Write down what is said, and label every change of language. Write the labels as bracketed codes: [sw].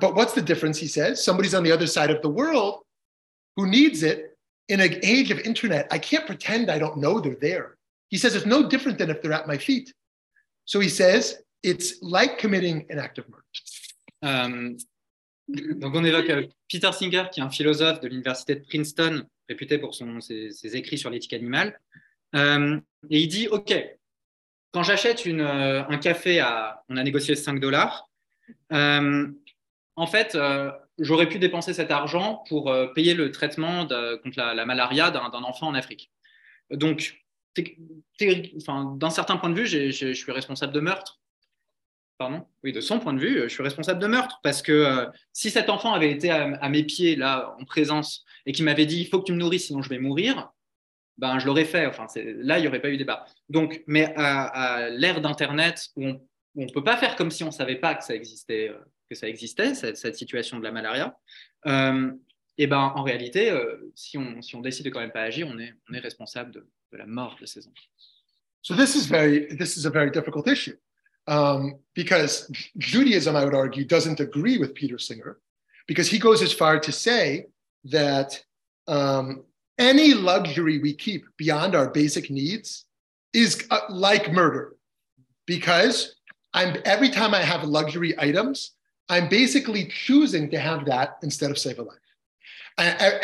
[en] But what's the difference, he says? Somebody's on the other side of the world who needs it. In an age of internet, I can't pretend I don't know they're there. He says it's no different than if they're at my feet. So he says it's like committing an act of murder. [fr] Donc on évoque Peter Singer, qui est un philosophe de l'université de Princeton, réputé pour ses écrits sur l'éthique animale. Et il dit, OK, quand j'achète un café, on a négocié $5, en fait, j'aurais pu dépenser cet argent pour payer le traitement contre la malaria d'un enfant en Afrique. Donc, d'un certain point de vue, je suis responsable de meurtre. Pardon ? Oui, de son point de vue, je suis responsable de meurtre. Parce que si cet enfant avait été à mes pieds, là, en présence, et qu'il m'avait dit, il faut que tu me nourris, sinon je vais mourir, ben, je l'aurais fait. Enfin, là, il n'y aurait pas eu débat. Donc, mais à l'ère d'Internet, où on ne peut pas faire comme si on ne savait pas que ça existait, cette situation de la malaria, et ben, en réalité, si on décide de quand même pas agir, on est responsable de la mort de ces enfants. [en] So this is a very difficult issue. Because Judaism, I would argue, doesn't agree with Peter Singer, because he goes as far to say that any luxury we keep beyond our basic needs is like murder, because every time I have luxury items, I'm basically choosing to have that instead of save a life.